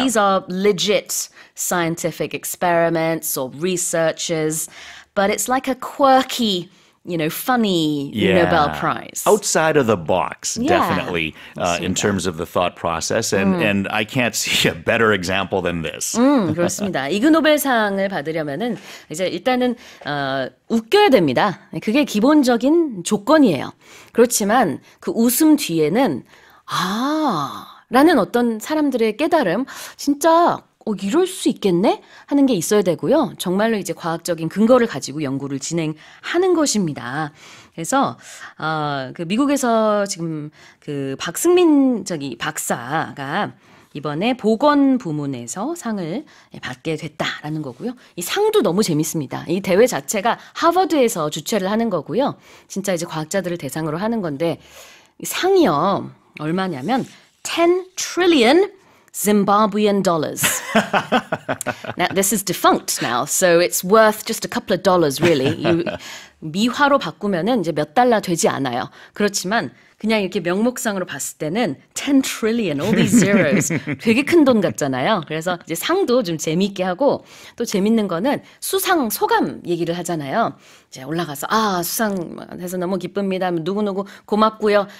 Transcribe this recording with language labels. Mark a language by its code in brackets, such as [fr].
[en] These are legit scientific experiments or researchers, but it's like a quirky, you know, funny yeah. Nobel Prize. Outside of the box, yeah. Definitely, in terms of the thought process. And, and I can't see a better example than this. [ko] 그렇습니다. 이그노벨상을 받으려면은 이제 일단은 웃겨야 됩니다. 그게 기본적인 조건이에요. 그렇지만 그 웃음 뒤에는 아 라는 어떤 사람들의 깨달음 진짜 이럴 수 있겠네? 하는 게 있어야 되고요. 정말로 이제 과학적인 근거를 가지고 연구를 진행하는 것입니다. 그래서 그 미국에서 지금 그 박승민 저기 박사가 이번에 보건 부문에서 상을 받게 됐다라는 거고요. 이 상도 너무 재밌습니다. 이 대회 자체가 하버드에서 주최를 하는 거고요. 진짜 이제 과학자들을 대상으로 하는 건데 상이요. 얼마냐면 [en] 10 trillion Zimbabwean dollars. Now, this is defunct now, so it's worth just a couple of dollars, really. [ko] 미화로 바꾸면은 이제 몇 달러 되지 않아요. 그렇지만 그냥 이렇게 명목상으로 봤을 때는 [en] 10 trillion, all these zeros, [ko] 되게 큰 돈 같잖아요. 그래서 이제 상도 좀 재미있게 하고 또 재밌는 거는 수상 소감 얘기를 하잖아요. 이제 올라가서 아 수상해서 너무 기쁩니다. 누구누구 고맙고요.